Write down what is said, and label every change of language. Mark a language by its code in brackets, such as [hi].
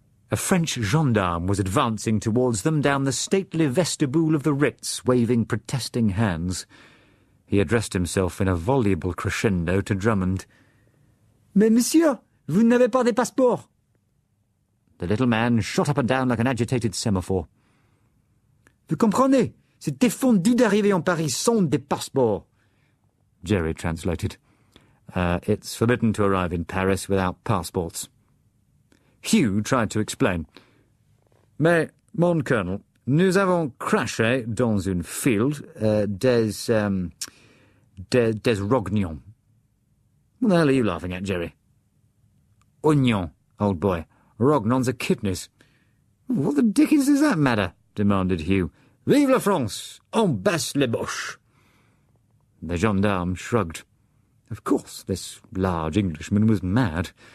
[en] A French gendarme was advancing towards them down the stately vestibule of the Ritz, waving protesting hands. He addressed himself in a voluble crescendo to Drummond. [fr] "Mais monsieur, vous n'avez pas de passeport." [en] The little man shot up and down like an agitated semaphore. [fr] "Vous comprenez, c'est défendu d'arriver en Paris sans de passeport." [en] Jerry translated. It's forbidden to arrive in Paris without passports. Hugh tried to explain. [fr] "Mais, mon colonel, nous avons crashé dans une field des rognons." [en] "What the hell are you laughing at, Jerry?" "Oignon, old boy. Rognons are kidneys." "What the dickens does that matter?" demanded Hugh. [fr] "Vive la France! En basse les Boches!" [en] The gendarme shrugged. Of course, this large Englishman was mad.